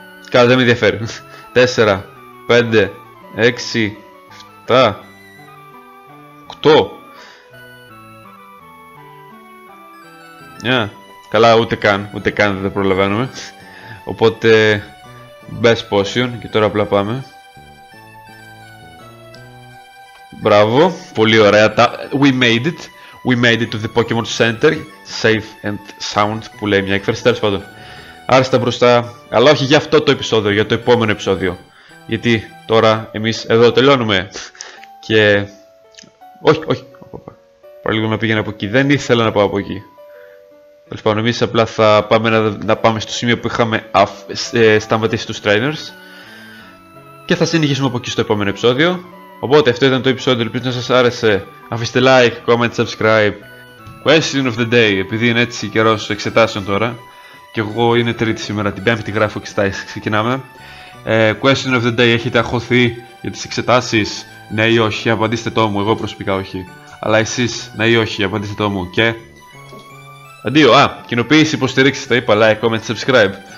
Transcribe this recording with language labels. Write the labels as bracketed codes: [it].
[el] Καλά, δεν με ενδιαφέρει. 4, 5, 6, 7, 8. [en] Yeah. [el] Καλά, ούτε καν δεν προλαβαίνουμε. Οπότε [en] best potion [el] και τώρα απλά πάμε. Μπράβο, πολύ ωραία τα... [en] We made it to the Pokemon Center. Safe and sound [el] που λέει μια έκφραση, τέλος πάντων. Άριστα μπροστά, αλλά όχι για αυτό το επεισόδιο, για το επόμενο επεισόδιο. Γιατί τώρα εμείς εδώ τελειώνουμε. Και... Όχι. Παραλίγο να πήγαινα από εκεί, δεν ήθελα να πάω από εκεί. Τέλος πάντων, εμείς απλά θα πάμε να πάμε στο σημείο που είχαμε σταματήσει τους trainers. Και θα συνεχίσουμε από εκεί στο επόμενο επεισόδιο. Οπότε αυτό ήταν το επεισόδιο, ελπίζω να σας άρεσε. Αφήστε [en] like, comment, subscribe. Question of the day, [el] επειδή είναι έτσι καιρός εξετάσεων τώρα. Και εγώ είναι τρίτη σήμερα, την πέμπτη γράφω εξετάσεις, ξεκινάμε. [en] Question of the day, [el] έχετε αγχωθεί για τις εξετάσεις? Ναι ή όχι, απαντήστε το μου, εγώ προσωπικά όχι. Αλλά εσείς, ναι ή όχι, απαντήστε το μου. Και... αντίο, κοινοποίηση, υποστηρίξη, τα είπα, [en] like, comment, subscribe.